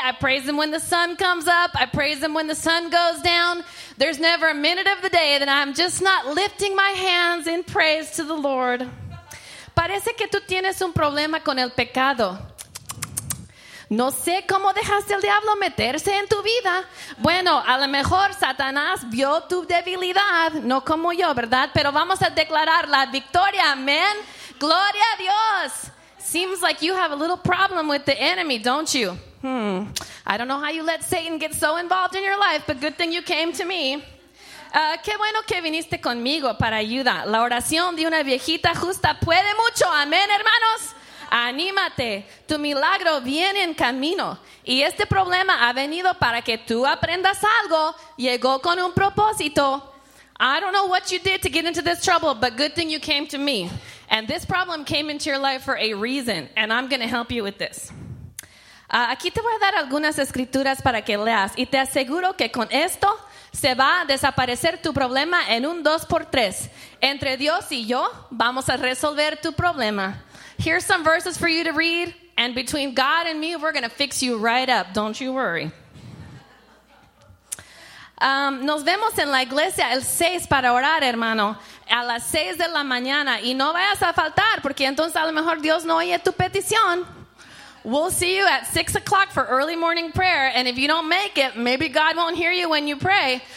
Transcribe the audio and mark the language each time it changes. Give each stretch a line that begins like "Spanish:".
English: I praise Him when the sun comes up. I praise Him when the sun goes down. There's never a minute of the day that I'm just not lifting my hands in praise to the Lord.
Spanish: Parece que tú tienes un problema con el pecado. No sé cómo dejaste al diablo meterse en tu vida. Bueno, a lo mejor Satanás vio tu debilidad, no como yo, ¿verdad? Pero vamos a declarar la victoria, amén. Gloria a Dios.
English: Seems like you have a little problem with the enemy, don't you? I don't know how you let Satan get so involved in your life, but good thing you came to me.
Spanish: Qué bueno que viniste conmigo para ayuda. La oración de una viejita justa puede mucho, amén, hermanos. Anímate, tu milagro viene en camino. Y este problema ha venido para que tú aprendas algo. Llegó con un propósito.
English: I don't know what you did to get into this trouble, but good thing you came to me. And this problem came into your life for a reason, and I'm going to help you with this.
Spanish: Aquí te voy a dar algunas escrituras para que leas, y te aseguro que con esto se va a desaparecer tu problema en un 2x3. Entre Dios y yo, vamos a resolver tu problema.
English: Here's some verses for you to read, and between God and me, we're going to fix you right up. Don't you worry.
Spanish: Nos vemos en la iglesia el 6 para orar, hermano, a las 6 de la mañana. Y no vayas a faltar, porque entonces a lo mejor Dios no oye tu petición.
English: We'll see you at 6 o'clock for early morning prayer. And if you don't make it, maybe God won't hear you when you pray.